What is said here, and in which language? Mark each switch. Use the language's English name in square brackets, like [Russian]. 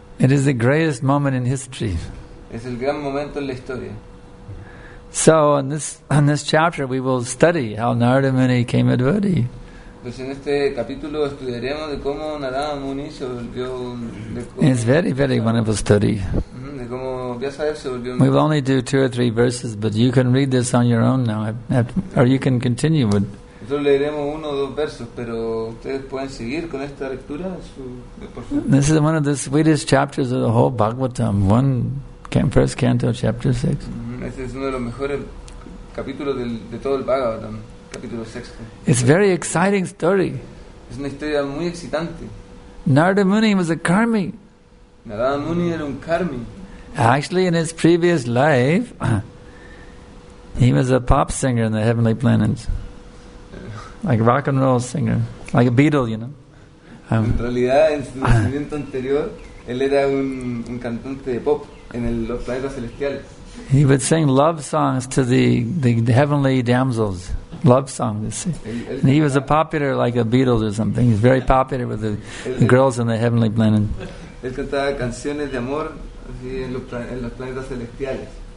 [English] It is the greatest moment in history. [Spanish] Es el gran momento en la historia. [English] So in this chapter we will study how Narada Muni came to Vedi. [Spanish] Pues en este capítulo estudiaremos de cómo Narada Muni se volvió [English] un. It's very, very wonderful study. [Spanish] De cómo Vyasadeva se volvió. [English] We will only do two or three verses, but you can read this on your own now, or you can continue with. [Spanish] Nosotros leeremos uno o dos versos, pero ustedes pueden seguir con esta lectura. [English] This is one of the sweetest chapters of the whole Bhagavatam, first canto, chapter 6. [Spanish] Este es uno de los mejores capítulos de todo el Bhagavatam, capítulo 6. [English] It's a very exciting story. [Spanish] Es una historia muy excitante. [English] Narada Muni was a karmi. [Spanish] Narada Muni era un karmi. [English] Actually, in his previous life, he was a pop singer in the heavenly planets. Like a rock and roll singer, like a Beatle, you know. [Spanish] En realidad, en su nacimiento anterior, él era un cantante de pop en los planetas celestiales. [English] He would sing love songs to the heavenly damsels. Love songs, you see. And he was a popular, like a Beatles or something. He was very popular with the girls in the heavenly planet. [Spanish] Él cantaba canciones de amor en los planetas celestiales.